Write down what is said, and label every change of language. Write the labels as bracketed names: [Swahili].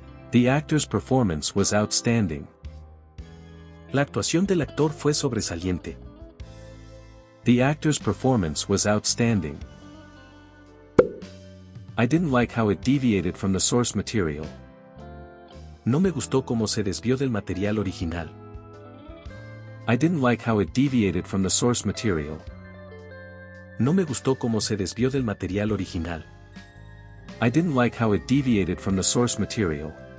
[English] The actor's performance was outstanding. [Spanish] La actuación del actor fue sobresaliente. [English] The actor's performance was outstanding. I didn't like how it deviated from the source material. [Spanish] No me gustó cómo se desvió del material original. [English] I didn't like how it deviated from the source material. [Spanish] No me gustó cómo se desvió del material original. [English] I didn't like how it deviated from the source material.